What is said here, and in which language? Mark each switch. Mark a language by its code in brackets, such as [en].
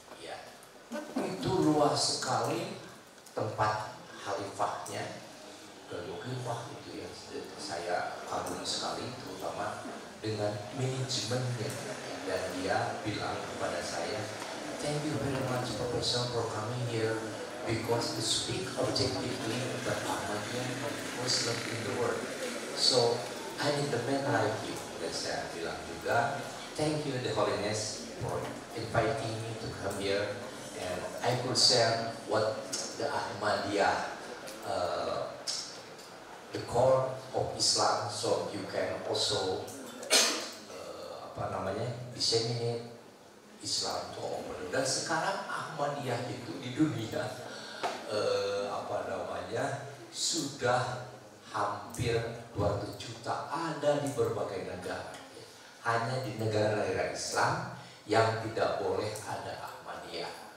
[id] Ya itu luas sekali tempat khalifahnya, khalifah itu yang saya kagum sekali, terutama dengan manajemennya. Dan dia bilang kepada saya, [en] "Thank you very much Professor for coming here because to speak objectively the Ahmadiyya Muslim in the world. So I need a man like you." [id] Dan saya bilang juga, [en] "Thank you the Holiness for inviting me to come here and I could share what the Ahmadiyya the core of Islam, so you can also [id] apa namanya [en] disseminate Islam to all world." [id] Dan sekarang Ahmadiyah itu di dunia apa namanya sudah hampir 200 juta ada di berbagai negara. Hanya di negara-negara Islam yang tidak boleh ada Ahmadiyah.